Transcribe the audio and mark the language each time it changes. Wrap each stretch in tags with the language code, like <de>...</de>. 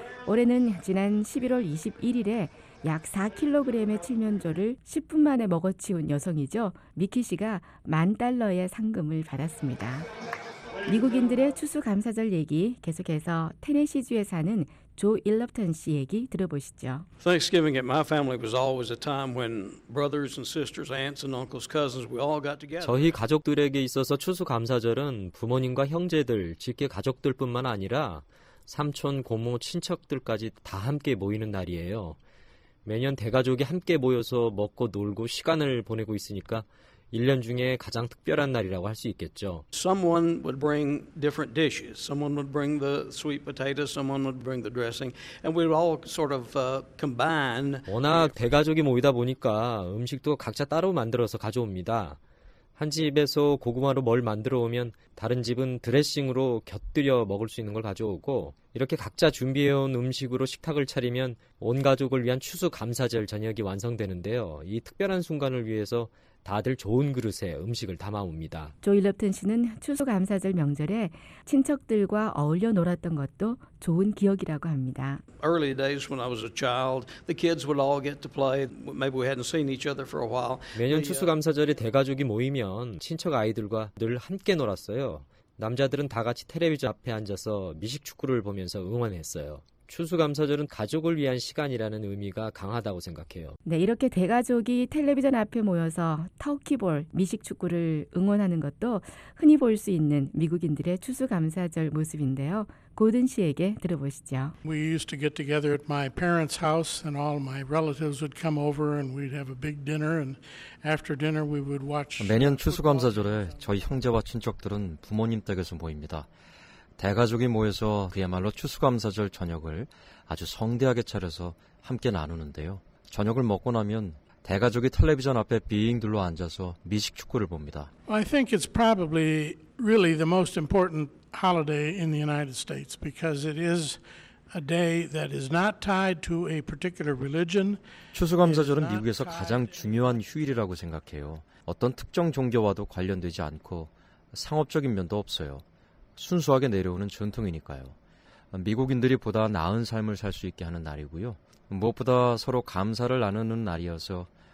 <ko>올해는 지난 11월 21일에 약 4kg의 칠면조를 10분 만에 먹어치운 여성이죠. 미키 씨가 만 달러의 상금을 받았습니다. 미국인들의 추수감사절 얘기 계속해서 테네시주에 사는 조 일럽턴 씨 얘기 들어보시죠.</ko> <en>Thanksgiving at my family was always a time when brothers and sisters, aunts and uncles, cousins, we all got together.</en> <ko>저희 가족들에게 있어서 추수감사절은 부모님과 형제들, 직계 가족들뿐만 아니라 삼촌, 고모, 친척들까지 다 함께 모이는 날이에요. 매년 대가족이 함께 모여서 먹고 놀고 시간을 보내고 있으니까 1년 중에 가장 특별한 날이라고 할 수 있겠죠.</ko> <en>Someone would bring different dishes. Someone would bring the sweet potatoes. Someone would bring the dressing. And we'd all sort of combine.</en> <ko>워낙 대가족이 모이다 보니까 음식도 각자 따로 만들어서 가져옵니다. 한 집에서 고구마로 뭘 만들어 오면 다른 집은 드레싱으로 곁들여 먹을 수 있는 걸 가져오고 이렇게 각자 준비해온 음식으로 식탁을 차리면 온 가족을 위한 추수감사절 저녁이 완성되는데요. 이 특별한 순간을 위해서 다들 좋은 그릇에 음식을 담아옵니다. 조 일럽튼 씨는 추수감사절 명절에 친척들과 어울려 놀았던 것도 좋은 기억이라고 합니다.</ko> <en>Early days when I was a child, the kids would all get to play. Maybe we hadn't seen each other for a while.</en> <ko>매년 추수감사절에 대가족이 모이면 친척 아이들과 늘 함께 놀았어요. 남자들은 다 같이 텔레비전 앞에 앉아서 미식축구를 보면서 응원했어요. 추수감사절은 가족을 위한 시간이라는 의미가 강하다고 생각해요. 네, 이렇게 대가족이 텔레비전 앞에 모여서 터키볼, 미식축구를 응원하는 것도 흔히 볼 수 있는 미국인들의 추수감사절 모습인데요. 고든 씨에게 들어보시죠.</ko> <en>We used to get together at my parents' house and all my relatives would come over and we'd have a big dinner and after dinner we would watch.</en> <ko>매년 추수감사절에 저희 형제와 친척들은 부모님 댁에서 모입니다. 대가족이 모여서 그야말로 추수감사절 저녁을 아주 성대하게 차려서 함께 나누는데요. 저녁을 먹고 나면 대가족이 텔레비전 앞에 빙 둘러 앉아서 미식 축구를 봅니다.</ko> <en>I think it's probably really the most important holiday in the United States because it is a day that is not tied to a particular religion.</en> <ko>추수감사절은 미국에서 가장 중요한 휴일이라고 생각해요. 어떤 특정 종교와도 관련되지 않고 상업적인 면도 없어요. 순수하게 내려오는 전통이니까요. 미국인들이 보다 나은 삶을 살 수 있게 하는 날이고요. 무엇보다 서로 감사를 나누는 날이어서</ko>